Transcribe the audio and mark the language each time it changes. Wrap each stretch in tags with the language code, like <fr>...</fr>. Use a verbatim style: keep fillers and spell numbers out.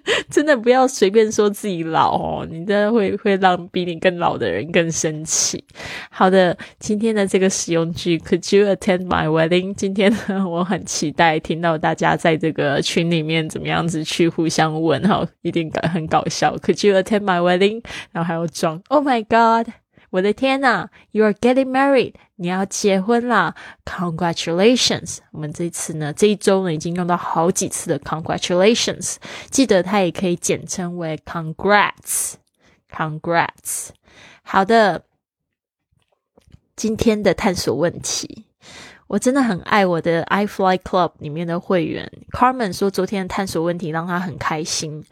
<zh>真的不要随便说自己老哦，你真的会会让比你更老的人更生气。好的，今天的这个实用句</zh> <en>Could you attend my wedding?</en> <zh>今天呢，我很期待听到大家在这个群里面怎么样子去互相问，好，一定很搞笑。</zh> <en>Could you attend my wedding?</en> <zh>然后还要装</zh> <en>Oh my God,</en> <zh>我的天啊，</zh> <en>You are getting married,</en> <zh>你要结婚啦</zh> <en>Congratulations。</en> <zh>我们这一次呢，这一周呢已经用到好几次的 Congratulations， 记得它也可以简称为 Congrats Congrats。好的，今天的探索问题，我真的很爱我的 iFly Club 里面的会员 Carmen 说昨天的探索问题让她很开心。</zh>